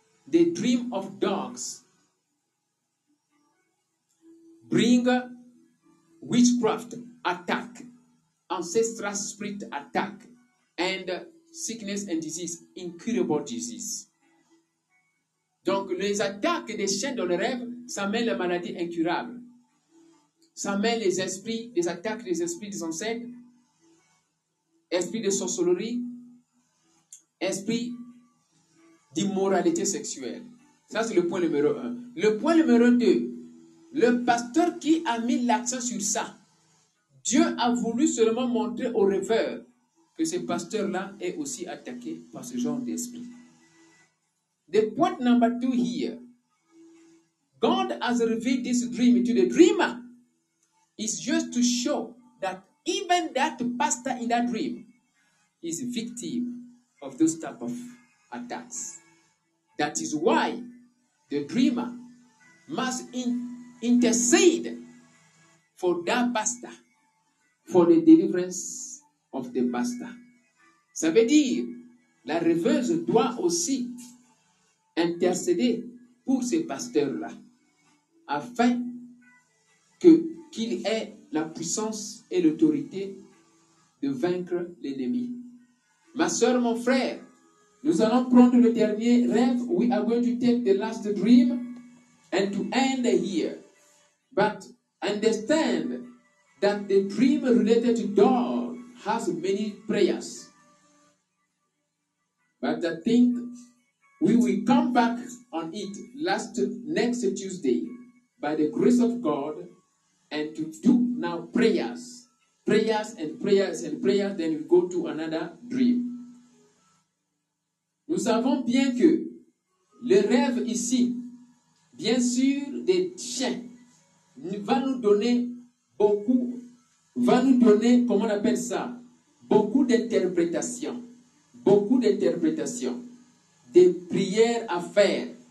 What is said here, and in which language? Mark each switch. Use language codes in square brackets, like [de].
[en] The dream of dogs bring witchcraft attack, ancestral spirit attack, and sickness and disease, incurable disease. [fr] Donc, les attaques des chiens dans le rêve, ça met la maladie incurable. Ça met les esprits, les attaques des esprits des ancêtres, esprits de sorcellerie, esprits d'immoralité sexuelle. Ça, c'est le point numéro un. Le point numéro deux, le pasteur qui a mis l'accent sur ça, Dieu a voulu seulement montrer au rêveur que ce pasteur-là est aussi attaqué par ce genre d'esprit. [en] The point number two here. God has revealed this dream to the dreamer. It's just to show that even that pastor in that dream is a victim of those type of attacks. That is why the dreamer must intercede for that pastor, for the deliverance of the pastor. [fr] Ça veut dire, la rêveuse doit aussi intercéder pour ces pasteurs-là, afin qu'il ait la puissance et l'autorité de vaincre l'ennemi. Ma soeur, mon frère, nous allons prendre le dernier rêve. [en] We are going to take the last dream and to end here. But understand that the dream related to God has many prayers. But I think we will come back on it next Tuesday by the grace of God and to do now prayers. Prayers and prayers and prayers, then we go to another dream. [fr] Nous savons bien que le rêve ici, bien sûr, des chiens, va nous donner beaucoup, va nous donner, comment on appelle ça, beaucoup d'interprétations, des prières à faire.